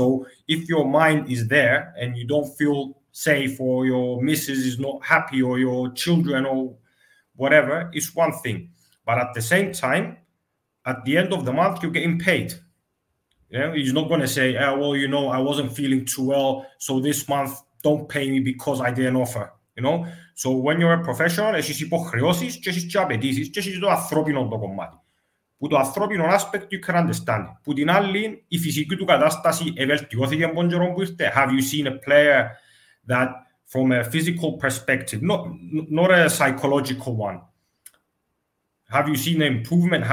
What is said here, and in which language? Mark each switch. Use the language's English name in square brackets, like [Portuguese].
[English] So if your mind is there and you don't feel safe or your missus is not happy or your children or whatever, it's one thing. But at the same time, at the end of the month, you're getting paid. Yeah, he's not going to say, oh, well, you know, I wasn't feeling too well, so this month, don't pay me because I didn't offer. You know, so when you're a professional, [Greek] έχεις υποχρεώσεις και έχεις απαιτήσεις και έχεις το ανθρώπινο το κομμάτι. Που το ανθρώπινο [English] aspect, you can understand. [Greek] Που την άλλη, η φυσική του κατάσταση ευελτιώθηκε από τον καιρό που ήρθε. [English] Have you seen a player that, from a physical perspective, not a psychological one, have you seen the improvement?